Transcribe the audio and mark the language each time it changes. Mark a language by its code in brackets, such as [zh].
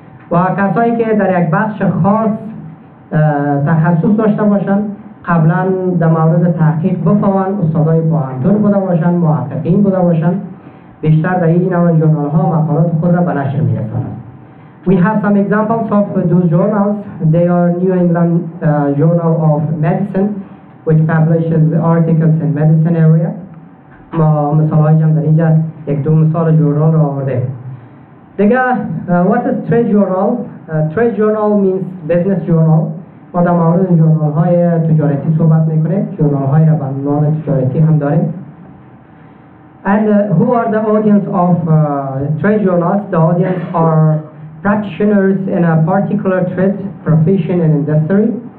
[fa] و کسایی که در یک بخش خاص تخصص داشته باشن قبلا در مورد تحقیق بفهمن، استادای پوهنتون بوده باشن، محققین بوده باشن، بیشتر در این نوع جورنال ها مقالات خود را به نشر می رسانند. [en] We have some examples of those journals. They are New England Journal of Medicine, which publishes articles in medicine area. [fa] ما مثال هایی هم در اینجا یک دو مثال جورنال را آورده. [en] دیگه what is trade journal? Trade journal means business journal. [fa] ما در مورد جورنال های تجارتی صحبت میکنیم، جورنال های را به عنوان تجارتی هم داریم. [en] And who are the audience of trade journals? The audience are practitioners in a particular trade, profession and industry.